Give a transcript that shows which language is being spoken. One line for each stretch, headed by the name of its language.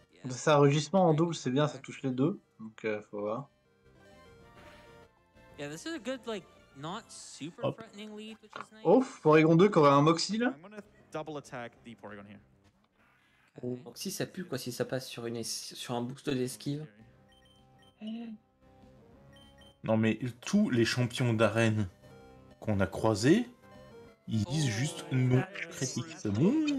French: C'est un rugissement en double, c'est bien, ça touche les deux. Donc faut voir.
English: Yeah, this is a good like not super threatening lead, which is nice.
French: Ouf, Porygon 2 qui aurait un Moxie là.
English: Double attack the Porygon here.
French: Donc si ça pue quoi, si ça passe sur une sur un boost d'esquive. Non mais tous les champions d'arène qu'on a croisés, ils disent juste non. Critique. Bon.